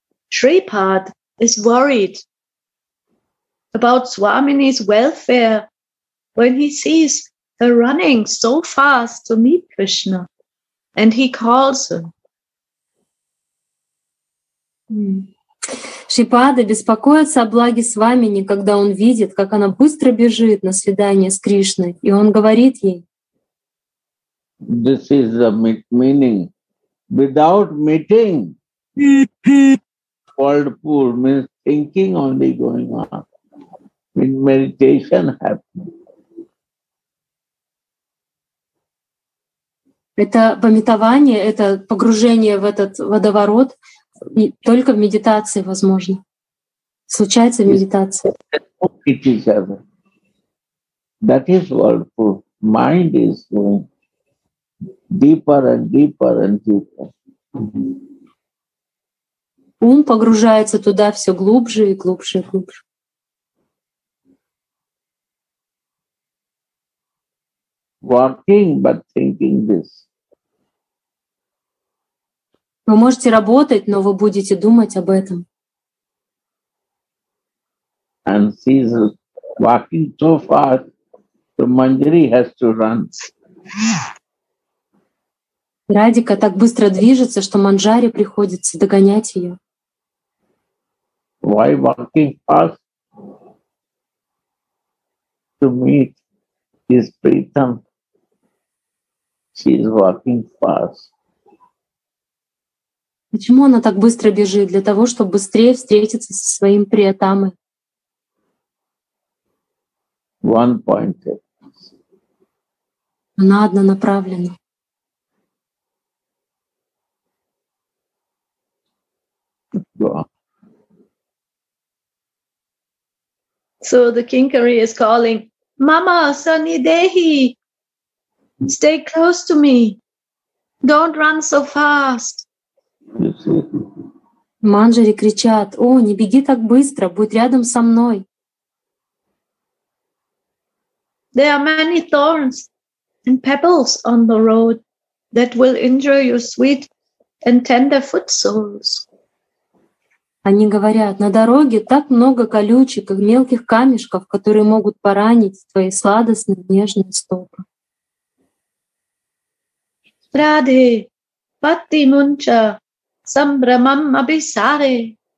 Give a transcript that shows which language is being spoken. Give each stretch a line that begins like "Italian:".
English: Shripad is worried about Swamini's welfare when he sees her running so fast to meet Krishna, and he calls her.
Russian: Шрипада беспокоится о благе Свамини, когда он видит, как она быстро бежит на свидание с Кришной, и он говорит ей.
English: This is the meaning. Without meeting, called pool means thinking only going on. In meditation happens.
Russian: Это памятование, это погружение в этот водоворот и только в медитации возможно. Случается в медитации.
English: It is other. That is world pool. Mind is going deeper and deeper and deeper.
Russian: Ум погружается туда все глубже и глубже и глубже.
English: Working, but thinking this.
Russian: Вы можете работать, но вы будете думать об этом.
English: And she's walking so fast, so Manjari has to run.
Russian: Радика так быстро движется, что Манджари приходится догонять ее.
English: Why walking fast? To meet his Pritam. She is walking fast.
Russian: Почему она так быстро бежит? Для того, чтобы быстрее встретиться со своим Приятамой.
English: One pointed.
Russian: Она однонаправлена.
English: So the Kinkari is calling,
Sanskrit: Mama Sannidehi,
English: stay close to me. Don't run so fast.
Russian: Манджари кричат, о, не беги так быстро, будь рядом со мной.
English: There are many thorns and pebbles on the road that will injure your sweet and tender foot soles.
Russian: Они говорят, на дороге так много колючек и мелких камешков, которые могут поранить твои сладостные нежные стопы.
Sanskrit: Радхи, патти мунча, самбрамам абисаре.